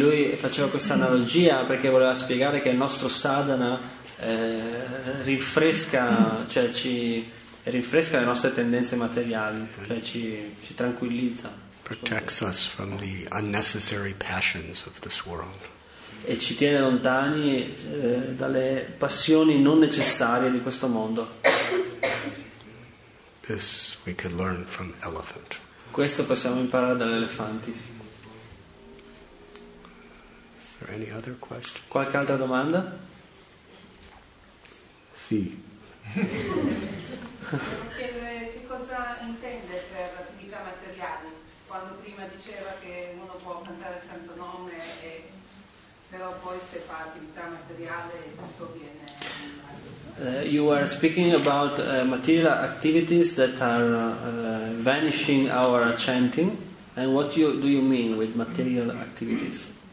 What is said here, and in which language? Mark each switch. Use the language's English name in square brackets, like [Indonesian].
[Italian] E lui faceva questa analogia perché voleva spiegare che il nostro sadhana rinfresca le nostre tendenze materiali, cioè ci tranquillizza. [English] Protects us from the unnecessary passions of this world. [Italian] E ci tiene lontani dalle passioni non necessarie di questo mondo. [English] This we could learn from elephant. [Italian] Questo possiamo imparare dagli elefanti. [English] Or any other question? [Italian] Qualche altra domanda? Sì. Che cosa intende per attività materiale? Quando prima diceva che uno può cantare il santo nome, però poi se fa attività materiale tutto viene. [English] You are speaking about material activities that are vanishing our chanting, and what do you mean with material activities?